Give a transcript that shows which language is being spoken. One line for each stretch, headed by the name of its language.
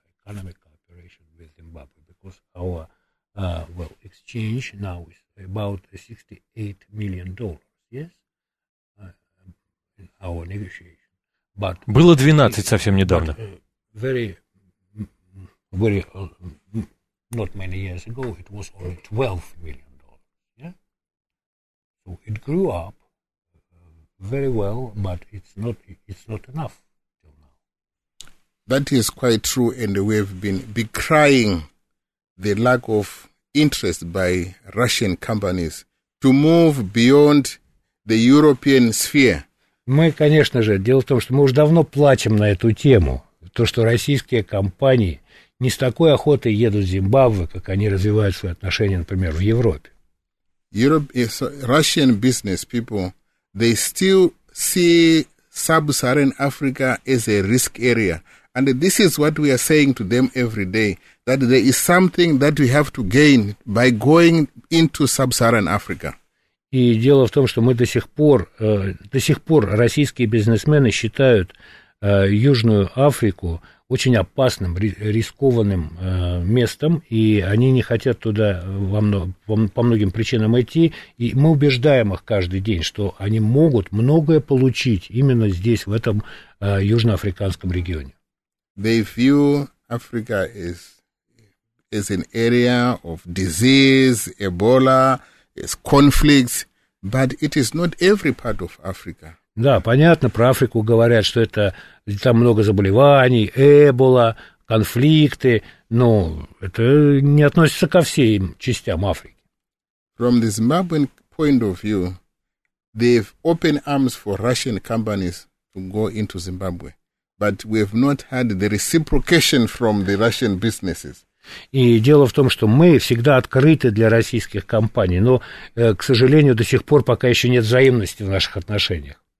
English: Economic cooperation with Zimbabwe, because our exchange now is about $68 million, yes, in our negotiation. But
Russian: было 12 совсем недавно.
English: But, very not many years ago, it was only $12 million. Yeah, so it grew up very well, but it's not enough. That is quite true, and we have been decrying the lack of interest by Russian companies to move beyond the European sphere.
Russian: Мы, конечно же, дело в том, что мы уже давно плачем на эту тему, то, что российские компании не с такой охотой едут в Зимбабве, как они развивают свои отношения, например, в Европе.
English: Russian business people, they still see sub-Saharan Africa as a risk area. And this is what we are saying to them every day, that there is something that we have to gain by going into sub-Saharan Africa.
Russian: И дело в том, что мы до сих пор российские бизнесмены считают Южную Африку очень опасным, рискованным местом, и они не хотят туда по многим причинам идти, и мы убеждаем их каждый день, что они могут многое получить именно здесь, в этом южноафриканском регионе.
English: They view Africa as an area of disease, Ebola, as conflicts, but it is not every part of Africa.
Russian: Да, понятно, про Африку говорят, что это там много заболеваний, Эбола, конфликты, но это не относится ко всем частям Африки.
English: From the Zimbabwean point of view, they've opened arms for Russian companies to go into Zimbabwe. But we have not had the reciprocation from the Russian businesses.
Russian: И дело в том, что мы всегда открыты для российских компаний, но, к сожалению, до сих пор пока еще нет взаимности в наших отношениях.